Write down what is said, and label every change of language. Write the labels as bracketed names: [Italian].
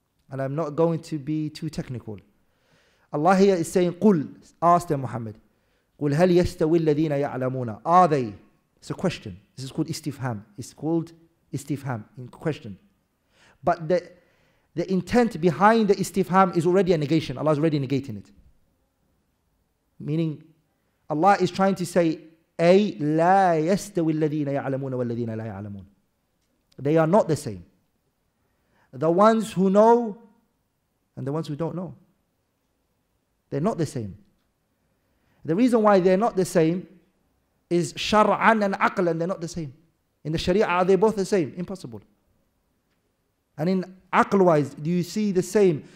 [English] And I'm not going to be too technical. Allah here is saying, قُلْ, ask them, Muhammad, [Arabic] قُلْ هَلْ يَسْتَوِي الَّذِينَ يَعْلَمُونَ, [English] are they? It's a question. This is called istifham. It's called istifham, in question. But the intent behind the istifham is already a negation. Allah is already negating it. Meaning, Allah is trying to say, [Arabic] أي لا يستوي الذين يعلمون والذين لا يعلمون. [English] They are not the same. The ones who know and the ones who don't know. They're not the same. The reason why they're not the same is شرعاً and عقلاً, they're not the same. In the Sharia, are they both the same? Impossible. And in عقل-wise, do you see the same?